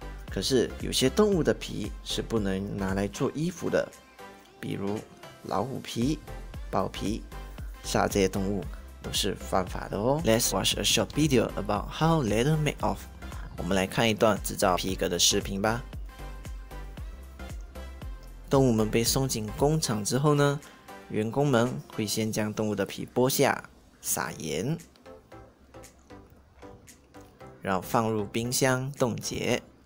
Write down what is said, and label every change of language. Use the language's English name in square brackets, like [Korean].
[Chinese] 可是有些动物的皮是不能拿来做衣服的，比如老虎皮、豹皮，杀这些动物都是犯法的哦。 [English] Let's watch a short video about how leather made of. [Chinese] 我们来看一段制造皮革的视频吧。动物们被送进工厂之后呢，员工们会先将动物的皮剥下，撒盐，然后放入冰箱冻结。